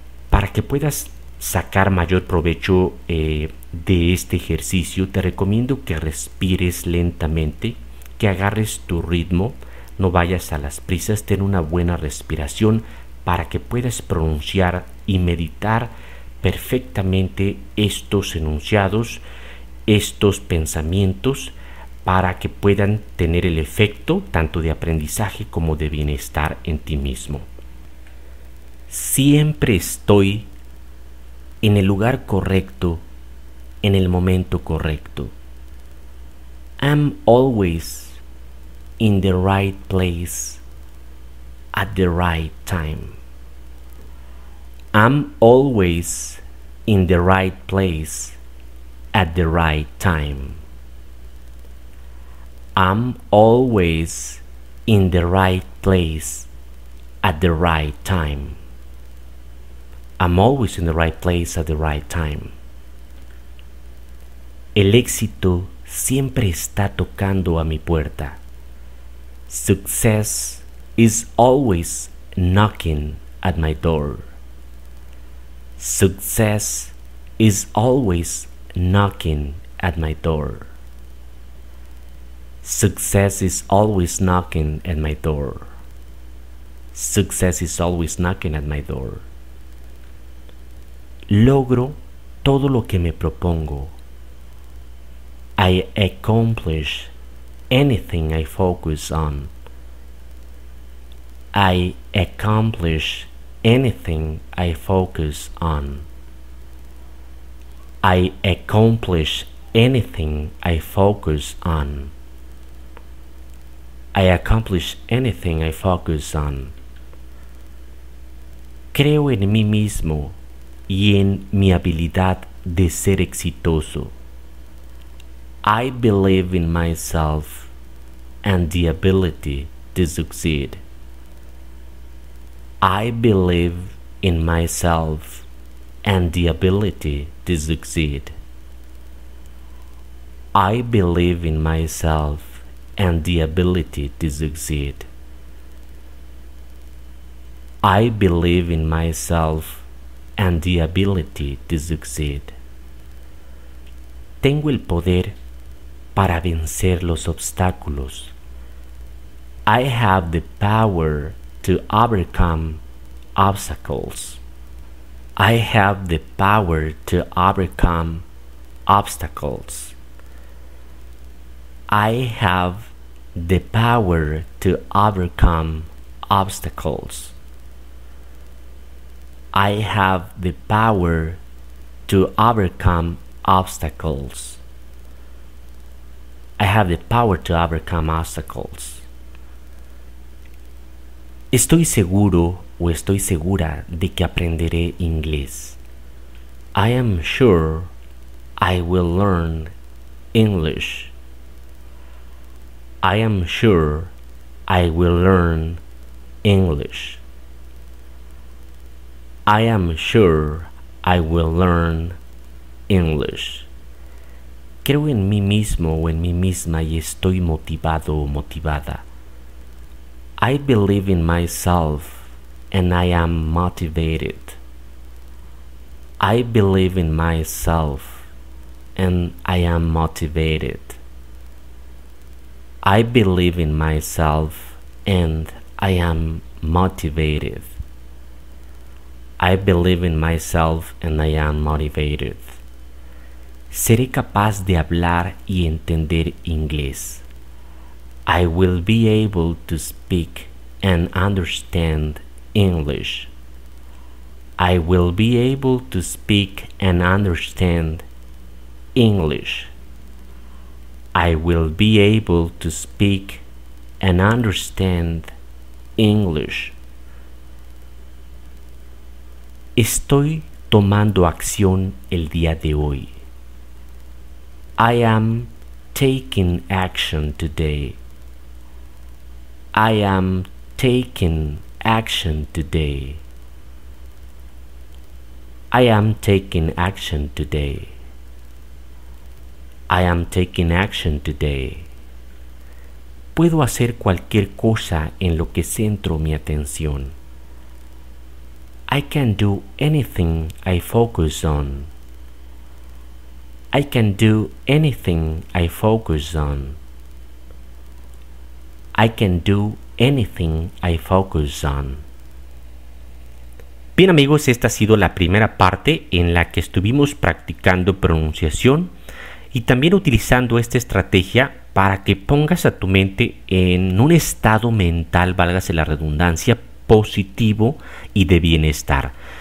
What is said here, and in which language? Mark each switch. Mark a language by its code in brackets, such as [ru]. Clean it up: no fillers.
[es] Para que puedas sacar mayor provecho de este ejercicio, te recomiendo que respires lentamente, que agarres tu ritmo, no vayas a las prisas, ten una buena respiración para que puedas pronunciar y meditar perfectamente estos enunciados, estos pensamientos, para que puedan tener el efecto tanto de aprendizaje como de bienestar en ti mismo. Siempre estoy en el lugar correcto, en el momento correcto. [en] I'm always in the right place at the right time. I'm always in the right place at the right time. I'm always in the right place at the right time. I'm always in the right place at the right time. [es] El éxito siempre está tocando a mi puerta. [en] Success is always knocking at my door. Success is always knocking at my door. Success is always knocking at my door. Success is always knocking at my door. [es] Logro todo lo que me propongo. [en] I accomplish anything I focus on. I accomplish anything I focus on. I accomplish anything I focus on. I accomplish anything I focus on. [es] Creo en mí mismo y en mi habilidad de ser exitoso. [en] I believe in myself and the ability to succeed. I believe in myself and the ability to succeed. I believe in myself and the ability to succeed. I believe in myself and the ability to succeed. [es] Tengo el poder para vencer los obstáculos. [en] I have the power to overcome obstacles. I have the power to overcome obstacles. I have the power to overcome obstacles. I have the power to overcome obstacles. have the power to overcome obstacles. [es] Estoy seguro o estoy segura de que aprenderé inglés. [en] I am sure I will learn English. I am sure I will learn English. I am sure I will learn English. [es] Creo en mí mismo o en mí misma y estoy motivado o motivada. [en] I believe in myself and I am motivated. I believe in myself and I am motivated. I believe in myself and I am motivated. I believe in myself and I am motivated. [es] Seré capaz de hablar y entender inglés. [en] I will be able to speak and understand English. I will be able to speak and understand English. I will be able to speak and understand English. [es] Estoy tomando acción el día de hoy. [en] I am taking action today. I am taking action today. I am taking action today. I am taking action today. [es] Puedo hacer cualquier cosa en lo que centro mi atención. [en] I can do anything I focus on. I can do anything I focus on. I can do anything I focus on. [es] Bien amigos, esta ha sido la primera parte en la que estuvimos practicando pronunciación y también utilizando esta estrategia para que pongas a tu mente en un estado mental, válgase la redundancia, positivo y de bienestar.